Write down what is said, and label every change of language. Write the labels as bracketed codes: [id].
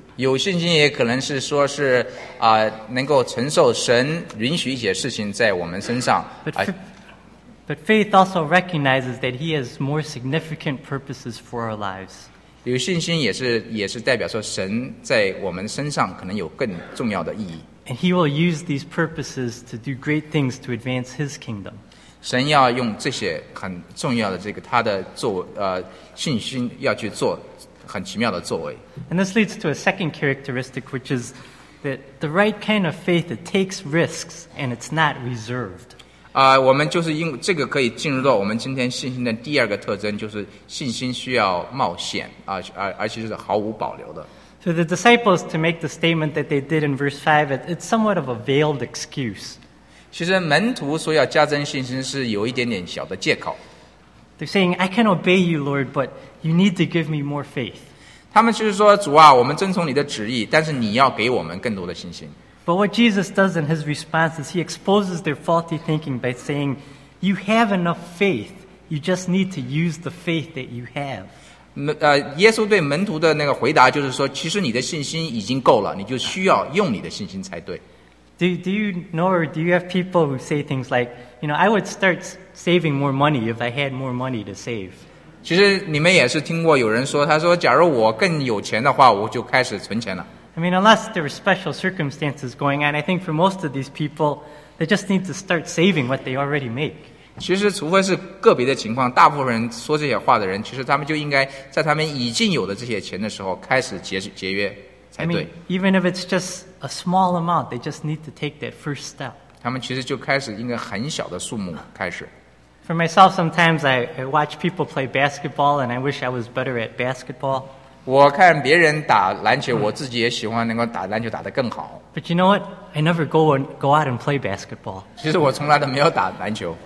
[zh] 有信心也可能是说是能够承受神允许一些事情在我们身上。 [en] But faith also recognizes that He has more significant purposes for our lives. [zh] 有信心也是代表说神在我们身上可能有更重要的意义。 [en] And he will use these purposes to do great things to advance his kingdom. [zh] 神要用这些很重要的这个他的作信心要去做很奇妙的作为。 [en] And this leads to a second characteristic, which is that the right kind of faith it takes risks and it's not reserved. [zh] 我们就是因为这个可以进入到我们今天信心的第二个特征，就是信心需要冒险，而且是毫无保留的。 [en] So the disciples to make the statement that they did in verse 5, it's somewhat of a veiled excuse. [zh] 其实门徒说要加增信心是有一点点小的借口。 [en] They're saying, I can obey you, Lord, but you need to give me more faith. [zh] 他们就是说，主啊，我们遵从你的旨意，但是你要给我们更多的信心。 [en] But what Jesus does in his response is he exposes their faulty thinking by saying, you have enough faith, you just need to use the faith that you have. [zh] 耶稣对门徒的那个回答就是说，其实你的信心已经够了，你就需要用你的信心才对。 [en] Do you know or do you have people who say things like, you know, I would start saving more money if I had more money to save. [zh] 其实你们也是听过有人说，他说假如我更有钱的话，我就开始存钱了。 [en] I mean, unless there are special circumstances going on, I think for most of these people, they just need to start saving what they already make. [zh] 其实除非是个别的情况，大部分人说这些话的人，其实他们就应该在他们已经有的这些钱的时候开始节约才对。 [en] I mean, even if it's just a small amount, they just need to take that first step. [zh] 他们其实就开始应该很小的数目开始。 [en] For myself, sometimes I watch people play basketball, and I wish I was better at basketball. [zh] 我看别人打篮球，我自己也喜欢能够打篮球打得更好。 [en] But you know what? I never go out and play basketball. [zh] 其实我从来都没有打篮球。